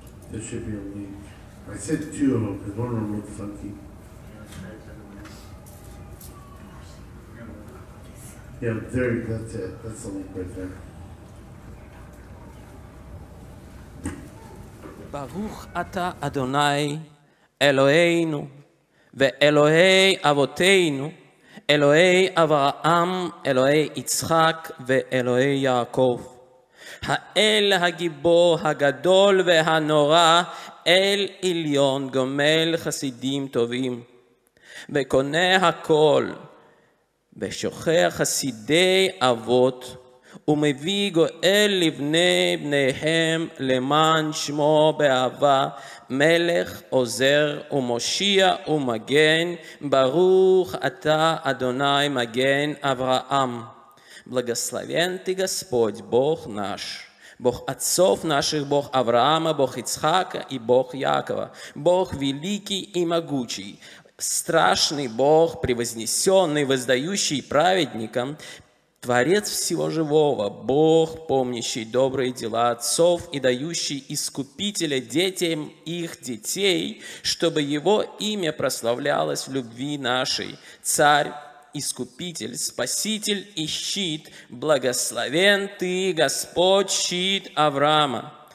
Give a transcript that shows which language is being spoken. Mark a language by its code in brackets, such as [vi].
[en] There should be a link. I sent two of them because one of them looked funky. Yeah, there, that's it. That's the link right there. [he] Baruch ata Adonai Eloheinu. ואלוהי אבותינו, אלוהי אברהם, אלוהי יצחק ואלוהי יעקב. האל הגיבור הגדול והנורא, אל עליון גומל חסידים טובים. וקונה הכל, ושוכח חסידי אבות, ומביא גואל לבני בניהם למען שמו באהבה, מלך עוזר ומושיע ומגן, ברוך אתה אדוני מגן אברהם. [ru] Благословен ты, Господь, Бог наш, Бог отцов наших, Бог Авраама, Бог Ицхака и Бог Якова, Бог великий и могучий, страшный Бог, превознесенный, воздающий праведникам, Творец всего живого, Бог, помнящий добрые дела отцов и дающий искупителя детям их детей, чтобы его имя прославлялось в любви нашей, Царь, Искупитель, Спаситель и щит, благословен Ты, Господь, щит Авраама.